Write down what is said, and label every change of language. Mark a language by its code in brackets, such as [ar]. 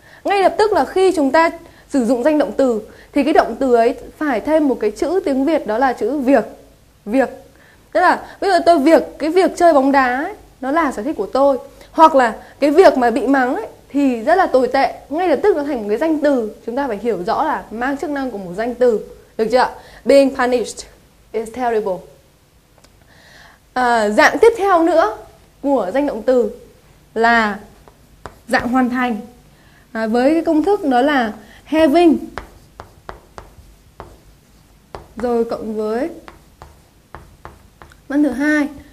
[vi] Ngay lập tức là khi chúng ta sử dụng danh động từ thì cái động từ ấy phải thêm một cái chữ tiếng Việt, đó là chữ việc. Việc, tức là bây giờ tôi việc, cái việc chơi bóng đá ấy, nó là sở thích của tôi. Hoặc là cái việc mà bị mắng ấy, thì rất là tồi tệ. Ngay lập tức nó thành một cái danh từ. Chúng ta phải hiểu rõ là mang chức năng của một danh từ. Được chưa? [en] Being punished is terrible. [vi] Dạng tiếp theo nữa của danh động từ là dạng hoàn thành. Với cái công thức đó là having rồi cộng với văn thứ hai.